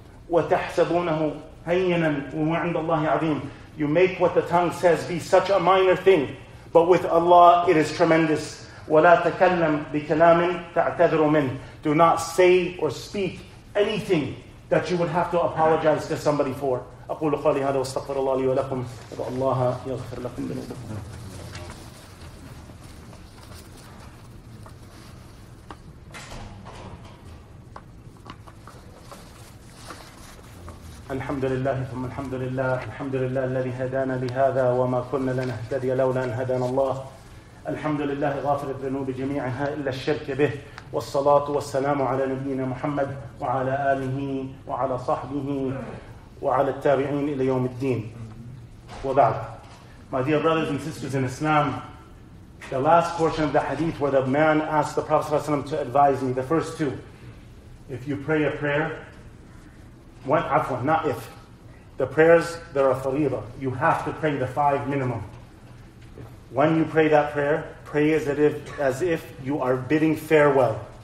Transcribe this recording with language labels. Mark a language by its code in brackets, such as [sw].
[ar] وَتَحْسَبُونَهُ هَيِّنًا وَهُوَ عِنْدَ اللَّهِ عَظِيمٌ. [en] You make what the tongue says be such a minor thing, but with Allah it is tremendous. [ar] وَلَا تَكَلَّمْ بِكَلَامٍ تَعْتَذِرُ مِنْ. [en] Do not say or speak anything that you would have to apologize to somebody for. [ar] أقول قولي هذا واستغفر الله لي ولكم وأدعو الله يغفر لكم ذنوبكم. الحمد لله ثم الحمد لله. الحمد لله الذي هدانا لهذا وما كنا لنهتدي لولا أن هدانا الله. الحمد لله غافر الذنوب جميعها إلا الشرك به. والصلاة والسلام على نبينا محمد وعلى آله وعلى صحبه وعلى التابعين إلى يوم الدين وبعد. [en] My dear brothers and sisters in Islam, The last portion of the hadith where the man asked the Prophet ﷺ to advise me, the first two. If you pray a prayer, the prayers, they're a fariba. You have to pray the five minimum. When you pray that prayer, pray as if you are bidding farewell.